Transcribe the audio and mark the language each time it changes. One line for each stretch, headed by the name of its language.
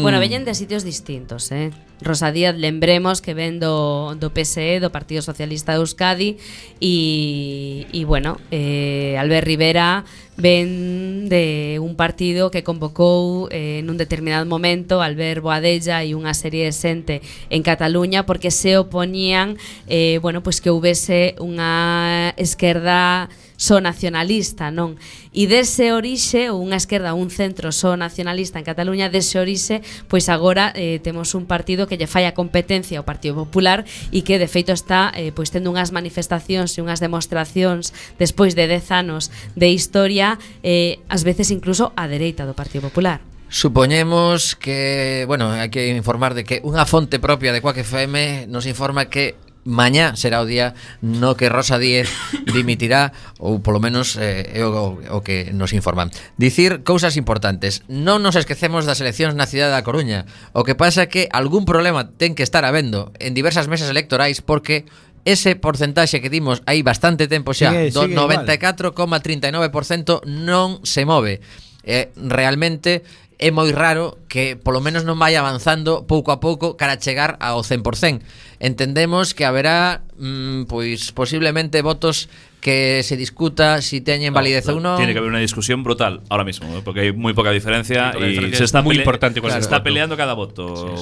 Spanish: Bueno, vienen de sitios distintos, ¿eh? Rosa Díaz,
Galician: lembremos que ven do PSE, do Partido Socialista de Euskadi,
Spanish: y bueno, Albert Rivera ven de un partido que convocou en un determinado momento Albert Boadella y una serie de xente en Cataluña porque se oponían que hubiese una esquerda só nacionalista, non?
Galician: E dese orixe, unha esquerda, un centro só nacionalista en Cataluña, dese orixe, pois agora temos un partido que lle fai a competencia ao Partido Popular e que, de feito, está pois tendo unhas manifestacións e unhas demostracións despois de 10 anos de historia, ás veces incluso á dereita do Partido Popular. Supoñemos que, bueno, hai que informar de que unha fonte propia de Coac FM nos informa que mañá será o día no que Rosa Díez dimitirá, ou polo menos o que nos informan. Dicir cousas importantes. Non nos esquecemos das eleccións na cidade da Coruña. O que pasa é que algún problema ten que estar habendo en diversas mesas electorais, porque ese porcentaxe que dimos hai bastante tempo xa, sigue, do 94,39% non se move. Realmente é moi raro que polo menos non vai avanzando pouco a pouco cara a chegar ao 100%. Entendemos que haberá pois posiblemente votos que se discuta si teñen validez ou non.
Spanish: Tiene que haber una discusión brutal ahora mismo, ¿eh? Porque hay muy poca diferencia y se está muy importante, claro, se está peleando cada voto.